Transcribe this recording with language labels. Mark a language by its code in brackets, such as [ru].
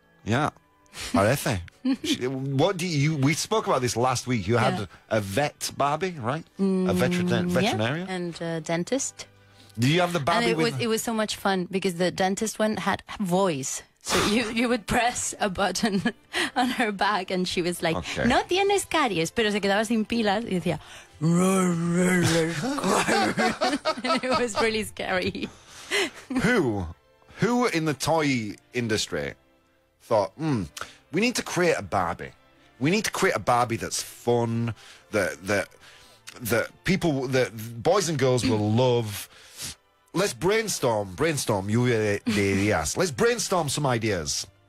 [en] Yeah. Parece. We spoke about this last week. You had a vet Barbie, right? A veterinarian? Yeah. And a dentist. Do you have the Barbie? It was so much fun because the dentist one had voice. So you would press a button on her back and she was like, okay. [es] No tienes caries, pero se quedaba sin pilas y decía, rur, rur, rur, rur. [en] And it was really scary. Who in the toy industry thought, we need to create a Barbie. We need to create a Barbie that's fun, that people, that boys and girls will love. Let's brainstorm, [es] lluvia de ideas. [en] Let's brainstorm some ideas.